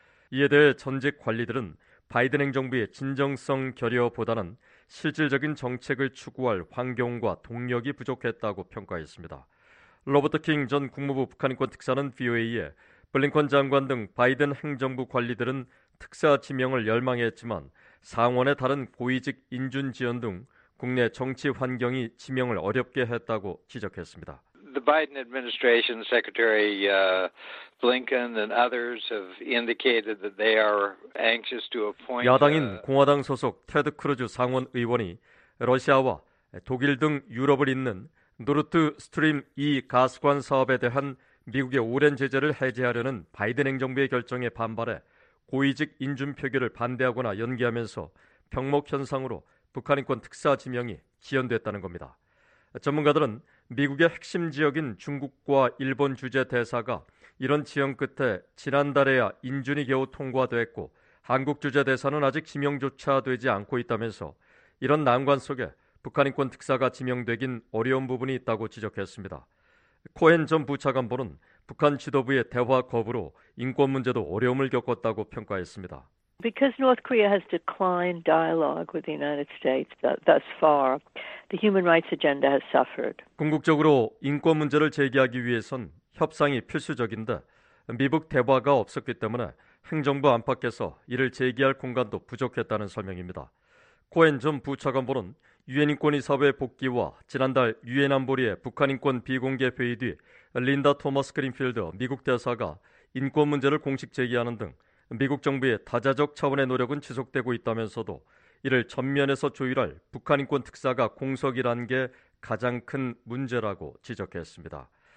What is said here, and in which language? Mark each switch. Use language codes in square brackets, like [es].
[ko] 이에 대해 전직 관리들은 바이든 행정부의 진정성 결여보다는 실질적인 정책을 추구할 환경과 동력이 부족했다고 평가했습니다. 로버트 킹 전 국무부 북한인권 특사는 VOA에 블링컨 장관 등 바이든 행정부 관리들은 특사 지명을 열망했지만 상원의 다른 고위직 인준 지연 등 국내 정치 환경이 지명을 어렵게 했다고 지적했습니다. [en] The Biden administration secretary Blinken and others have indicated that they are anxious to appoint [ko] 야당인 공화당 소속 테드 크루즈 상원 의원이 러시아와 독일 등 유럽을 잇는 노르트 스트림 2 가스관 사업에 대한 미국의 오랜 제재를 해제하려는 바이든 행정부의 결정에 반발해 고위직 인준 표결을 반대하거나 연기하면서 병목 현상으로 북한 인권 특사 지명이 지연됐다는 겁니다. 전문가들은 미국의 핵심 지역인 중국과 일본 주재 대사가 이런 지연 끝에 지난달에야 인준이 겨우 통과됐고 한국 주재 대사는 아직 지명조차 되지 않고 있다면서 이런 난관 속에 북한 인권 특사가 지명되긴 어려운 부분이 있다고 지적했습니다. 코헨 전 부차관보는 북한 지도부의 대화 거부로 인권 문제도 어려움을 겪었다고 평가했습니다. [en] Because North Korea has declined dialogue with the United States thus far, the human rights agenda has suffered. [ko] 궁극적으로 인권 문제를 제기하기 위해선 협상이 필수적인데 미북 대화가 없었기 때문에 행정부 안팎에서 이를 제기할 공간도 부족했다는 설명입니다. 코엔 전 부차관보는 유엔인권이사회 복귀와 지난달 유엔 안보리의 북한인권 비공개 회의 뒤 린다 토마스 그린필드 미국 대사가 인권 문제를 공식 제기하는 등 미국 정부의 다자적 차원의 노력은 지속되고 있다면서도 이를 전면에서 조율할 북한인권특사가 공석이라는 게 가장 큰 문제라고 지적했습니다.